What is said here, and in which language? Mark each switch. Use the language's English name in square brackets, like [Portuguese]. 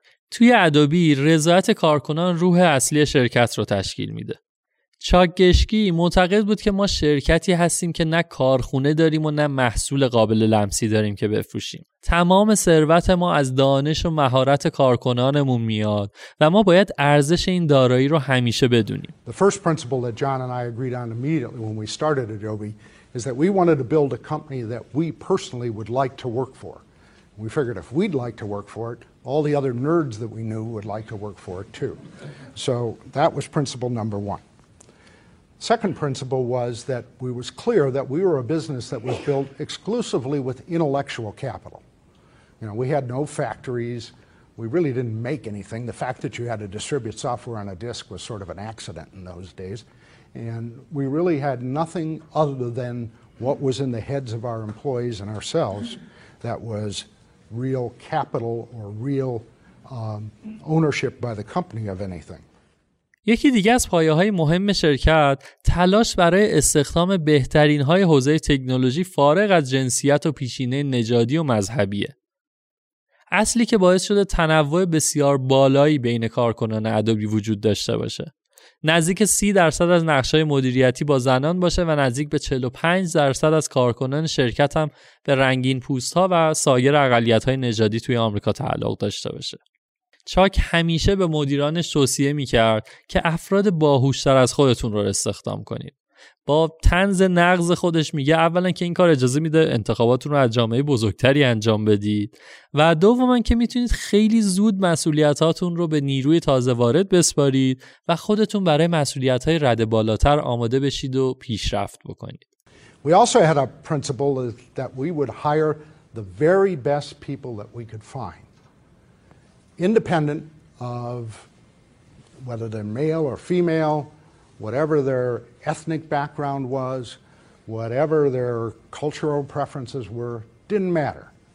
[Persian] توی ادوبی رضایت کارکنان روح اصلی شرکت رو تشکیل میده. چاک گشکی معتقد بود که ما شرکتی هستیم که نه کارخونه داریم و نه محصول قابل لمسی داریم که بفروشیم. تمام ثروت ما از دانش و مهارت کارکنانمون میاد و ما باید ارزش این دارایی رو همیشه بدونیم. [English] The first principle that John and I agreed on immediately when we started Adobe is that we wanted to build a company that we personally would like to work for. We figured if we'd like to work for it, all the other nerds that we knew would like to work for it too. So that was principle number one. Second principle was that we was clear that we were a business that was built exclusively with intellectual capital. You know, we had no factories. We really didn't make anything. The fact that you had to distribute software on a disk was sort of an accident in those days. And we really had nothing other than what was in the heads of our employees and ourselves that was real capital or real ownership by the company of anything. [Persian] یکی دیگه از پایه‌های مهم شرکت تلاش برای استخدام بهترین‌های حوزه تکنولوژی فارغ از جنسیت و پیشینه نژادی و مذهبیه. اصلی که باعث شده تنوع بسیار بالایی بین کارکنان ادوبی وجود داشته باشه. نزدیک 30% از نقش‌های مدیریتی با زنان باشه و نزدیک به 45% از کارکنان شرکت هم به رنگین‌پوست‌ها و سایر اقلیت‌های نژادی توی آمریکا تعلق داشته باشه. چاک همیشه به مدیرانش توصیه میکرد که افراد باهوشتر از خودتون رو استخدام کنید. با طنز نقض خودش میگه اولا که این کار اجازه میده انتخاباتون رو از جامعه بزرگتری انجام بدید و دوما که میتونید خیلی زود مسئولیتاتون رو به نیروی تازه وارد بسپارید و خودتون برای مسئولیتهای رده بالاتر آماده بشید و پیشرفت بکنید. [English] We also had a principle that we would hire the very best people that we could find. Independent of whether they're male or female, whatever their ethnic background was, whatever their cultural preferences were, didn't matter.